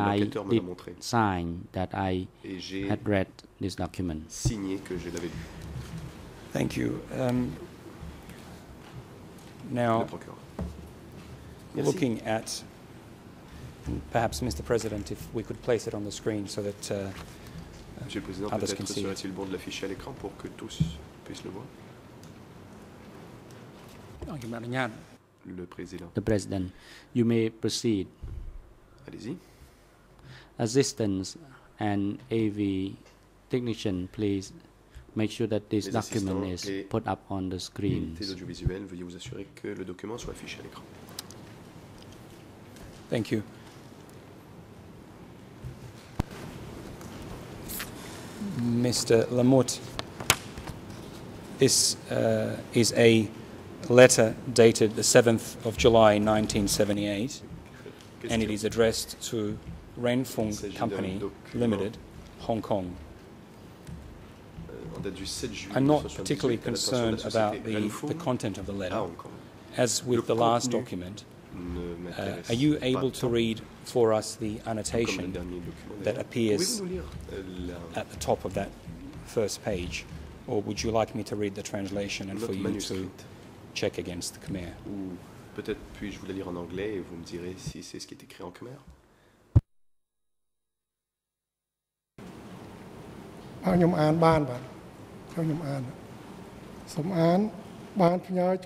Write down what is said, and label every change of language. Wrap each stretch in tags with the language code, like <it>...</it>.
<en>I did sign that I had read this document. Thank you. Now, looking at, perhaps Mr. President, if we could place it on the screen so that</en> <fr>Monsieur le Président,</fr> <en>others</en> <fr>peut-être</fr> <en>can see</en> <fr>serait-il bon de l'afficher à l'écran pour que tous puissent le voir. le président.</fr> <en>The president, you may proceed.</en> <fr>Allez-y.</fr> <en>Assistants and AV technician, please make sure that this document is put up on the screen.</en> <fr>Les assistants audiovisuels, veuillez vous assurer que le document soit affiché à l'écran.</fr> <en>Thank you. Mr. Lamotte, this is a letter dated the 7th of July 1978, and it is addressed to Renfeng Company Limited, Hong Kong. I'm not particularly concerned about the content of the letter, as with the last document. Are you able to read for us the annotation that appears at the top of that first page, or would you like me to read the translation and for you to check against the Khmer?</en> <fr>Peut-être puis-je vous la lire en anglais et vous me direz si c'est ce qui est écrit en Khmer.</fr>